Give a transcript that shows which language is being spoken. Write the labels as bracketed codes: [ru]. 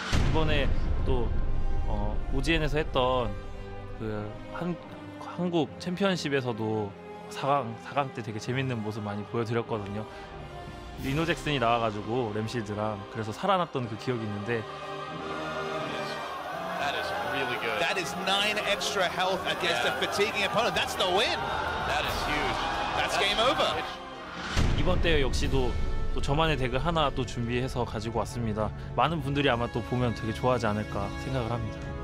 [ko] 이번에 또 OGN에서 했던 그 한국 챔피언십에서도 4강 때 되게 재밌는 모습 많이 보여드렸거든요. 리노잭슨이 나와가지고 램실드랑 그래서 살아났던 그 기억이 있는데. [en] That is 9 extra health against a fatiguing opponent. That's the win. That is huge. That's game over. [ko] 이번 대회 역시도 또 저만의 덱을 하나 또 준비해서 가지고 왔습니다. 많은 분들이 아마 또 보면 되게 좋아하지 않을까 생각을 합니다.